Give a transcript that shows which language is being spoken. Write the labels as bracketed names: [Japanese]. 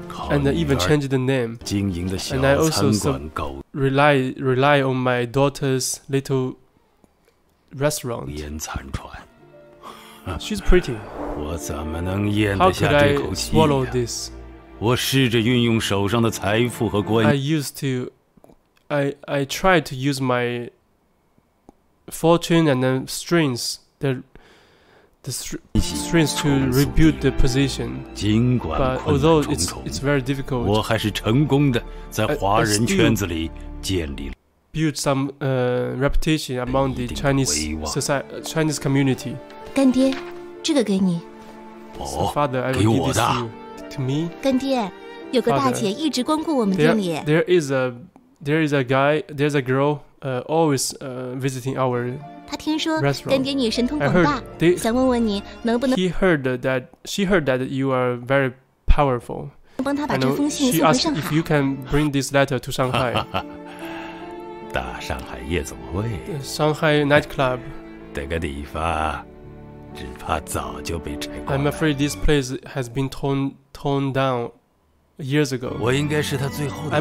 [English] And I even changed the name. And I also rely on my daughter's little restaurant. She's pretty. [Chinese] 我怎么能咽得下这口气呢？我试着运用手上的财富和关系。 [English] I tried to use my fortune and then strength, the the strength to rebuild the position. But although it's very difficult, I still built some reputation among the Chinese community. Father, I will give this to me. [Chinese] 干爹，有个大姐一直光顾我们店里。 [English] There's a girl, always visiting our restaurant. [Chinese] 她听说干爹你神通广大，想问问你能不能。 [English] She heard that you are very powerful. [Chinese] 帮她把这封信送回上海。 [English] She asked if you can bring this letter to Shanghai. [Chinese] 大上海夜总会。 [English] Shanghai nightclub. [Chinese] 这个地方。只怕早就被拆光了。 [English] I'm afraid this place has been torn down years ago. [Chinese] 我应该是他最后的。